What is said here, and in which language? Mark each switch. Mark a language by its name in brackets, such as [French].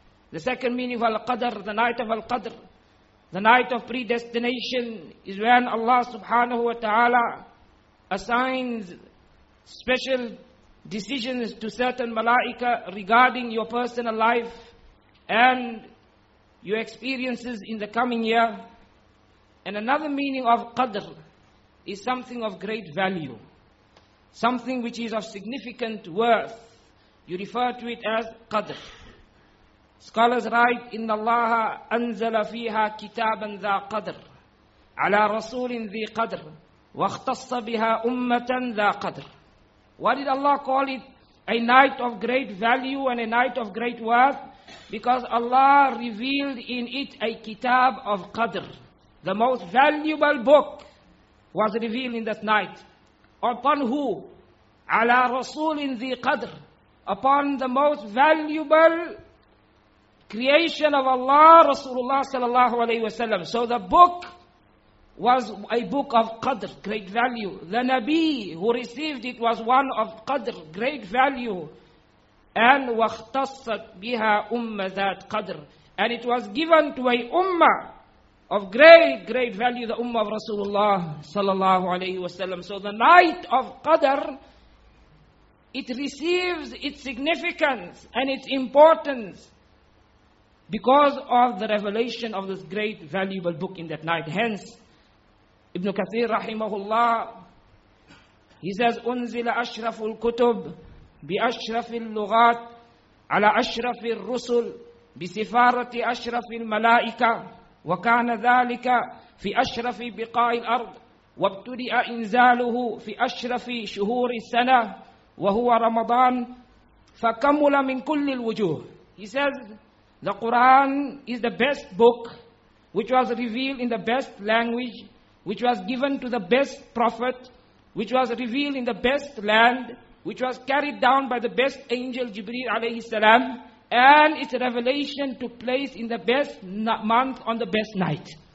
[English] The second meaning of al-qadr, the night of al-qadr, the night of predestination, is when Allah subhanahu wa ta'ala assigns special decisions to certain malaika regarding your personal life and your experiences in the coming year. And another meaning of qadr is something of great value, something which is of significant worth. You refer to it as qadr. Scholars write, [Arabic] إِنَّ اللَّهَ أَنزَلَ فِيهَا كِتَابًا ذَا قَدْرٍ عَلَىٰ رَسُولٍ ذِي قَدْرٍ وَاخْتَصَّ بِهَا أُمَّةً ذَا قَدْرٍ. [English] What did Allah call it? A night of great value and a night of great worth, because Allah revealed in it a kitab of qadr. The most valuable book was revealed in that night. Upon who? [Arabic] عَلَىٰ رَسُولٍ ذِي قَدْرٍ. [English] Upon the most valuable creation of Allah, Rasulullah sallallahu alayhi wa sallam. So the book was a book of qadr, great value. The Nabi who received it was one of qadr, great value. [Arabic] And wakhtassat biha umma that qadr. [English] And it was given to a ummah of great, great value, the ummah of Rasulullah sallallahu alayhi wa sallam. So the night of qadr, it receives its significance and its importance because of the revelation of this great valuable book in that night. [Arabic] Hence, Ibn Kathir rahimahullah, he says, أُنزِلَ أَشْرَفُ الْكُتُبِ بِأَشْرَفِ اللُّغَاتِ عَلَى أَشْرَفِ الرُّسُلِ بِسِفَارَةِ أَشْرَفِ الْمَلَائِكَةِ وَكَانَ ذَلِكَ فِي أَشْرَفِ بِقَاعِ الْأَرْضِ وَابْتُدِئَ إِنْزَالُهُ فِي أَشْرَفِ شُهُورِ السَّنَةِ وَهُوَ رَمَضَانِ فَكَمُلَ مِنْ كُلِّ الْوُجُوهِ. [English] He says, the Quran is the best book which was revealed in the best language, which was given to the best prophet, which was revealed in the best land, which was carried down by the best angel Jibreel alayhi salam, and its revelation took place in the best month on the best night.